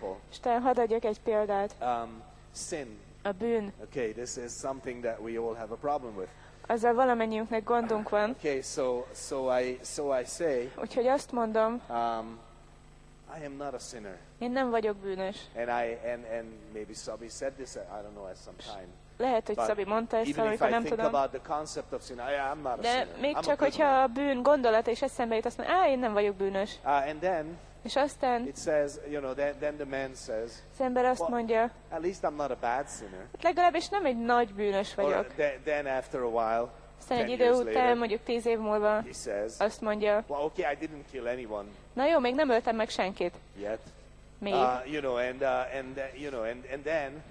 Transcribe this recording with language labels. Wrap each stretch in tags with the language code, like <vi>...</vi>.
<hu>És talán hadd adjak egy példát. A bűn.</hu> <en>Okay, this is something that we all have a problem with.</en> <hu>Azzal valamennyiünknek gondunk van.</hu> <en>Okay, so I say,</en> <hu>úgyhogy azt mondom,</hu> <en>I am not a sinner.</en> <hu>Én nem vagyok bűnös.</hu> <en>And maybe Szabi said this, I don't know, at some time.</en> <hu>Lehet, hogy Szabi mondta ezt, amikor nem tudom.</hu> <en>About the concept of sin, I'm not a</en> <hu>de</hu> <en>sinner.</en> <hu>Még</hu> <en>I'm</en> <hu>csak, hogyha a bűn gondolata is eszembe jut, azt mondja, én nem vagyok bűnös. És aztán</hu> <en>it says, you know, then the man says,</en> <hu>az ember azt mondja,</hu> <en>at least I'm not a bad sinner.</en> <hu>Legalábbis nem egy nagy bűnös vagyok.</hu> <en>Then after a while,</en> <hu>aztán egy idő után,</hu> <en>later,</en> <hu>mondjuk 10 év múlva,</hu> <en>he says,</en> <hu>azt mondja,</hu> <en>well, okay, I didn't kill anyone.</en> <hu>Na jó, még nem öltem meg senkit.</hu> <en>Yet.</en> <hu>Még.</hu> <en>And then,</en>